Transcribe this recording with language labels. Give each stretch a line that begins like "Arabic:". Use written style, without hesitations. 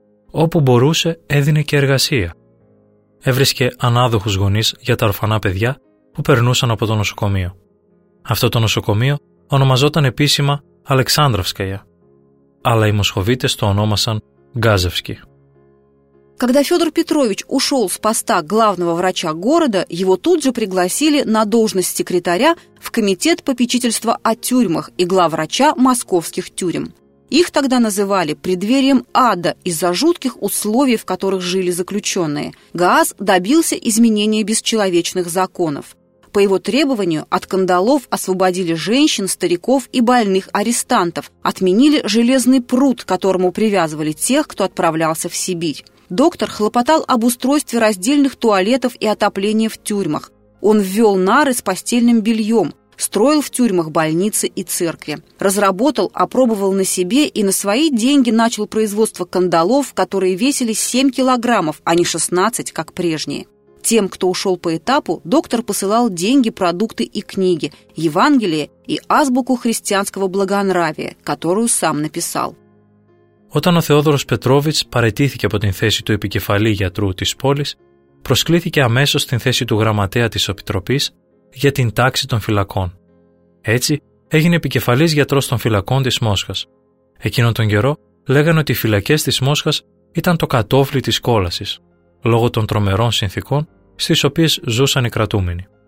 Greek: Όπου μπορούσε, έδινε και εργασία. Έβρισκε ανάδοχους γονείς για τα ορφανά παιδιά που περνούσαν από το νοσοκομείο. Αυτό το νοσοκομείο ονομαζόταν επίσημα Αλεξάνδραυσκαια, αλλά οι μοσχοβίτες το ονόμασαν Γκάζευσκι.
Russian: Когда Федор Петрович ушел с поста главного врача города, его тут же пригласили на должность секретаря в комитет попечительства о тюрьмах и главврача московских тюрем. Их тогда называли преддверием ада из-за жутких условий, в которых жили заключенные. ГААС добился изменения бесчеловечных законов. По его требованию от кандалов освободили женщин, стариков и больных арестантов, отменили железный прут, к которому привязывали тех, кто отправлялся в Сибирь. Доктор хлопотал об устройстве раздельных туалетов и отопления в тюрьмах. Он ввел нары с постельным бельем, строил в тюрьмах больницы и церкви. Разработал, опробовал на себе и на свои деньги начал производство кандалов, которые весили 7 килограммов, а не 16, как прежние. Тем, кто ушел по этапу, доктор посылал деньги, продукты и книги, Евангелие и азбуку христианского благонравия, которую сам написал.
Greek: Όταν ο Θεόδωρος Πετρόβιτς παραιτήθηκε από την θέση του επικεφαλή γιατρού της πόλης, προσκλήθηκε αμέσως στην θέση του γραμματέα της Επιτροπής για την τάξη των φυλακών. Έτσι, έγινε επικεφαλής γιατρός των φυλακών της Μόσχας. Εκείνον τον καιρό λέγανε ότι οι φυλακές της Μόσχας ήταν το κατόφλι της κόλασης, λόγω των τρομερών συνθήκων στις οποίες ζούσαν οι κρατούμενοι.